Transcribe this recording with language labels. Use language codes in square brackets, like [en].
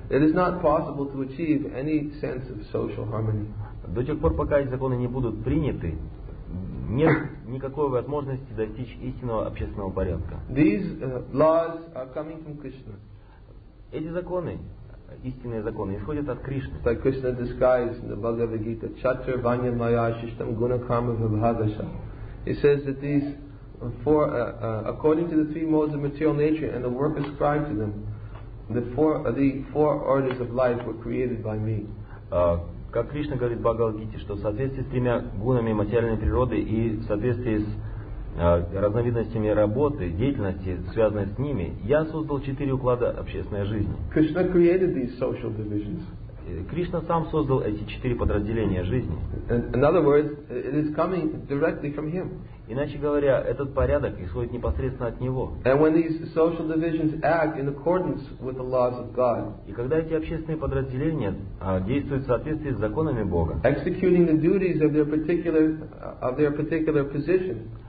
[en] it is not possible to achieve any sense of social harmony. [ru] До тех пор, пока эти законы не будут приняты, нет никакой возможности достичь истинного общественного порядка. [en] These laws are coming from Krishna. [ru] Эти законы, истинные законы, исходят от Кришны. [en] Like Krishna disguised in the Bhagavad Gita, [sa] Chatur Vanya Maya Shishtam Guna Karma Vibhagasha. [en] He says that these four, according to the three modes of material nature and the work ascribed to them, the four orders of life were created by me. [ru] Как Кришна говорит в Бхагавад-гите, что в соответствии с тремя гунами материальной природы и в соответствии с разновидностями работы, деятельности, связанной с ними, я создал четыре уклада общественной жизни. [en] Krishna created these social divisions. [ru] Кришна сам создал эти четыре подразделения жизни. [en] In other words, it is coming directly from him. [ru] Иначе говоря, этот порядок исходит непосредственно от него. [en] And when these social divisions act in accordance with the laws of God, [ru] и когда эти общественные подразделения действуют в соответствии с законами Бога, [en] executing the duties of their particular position,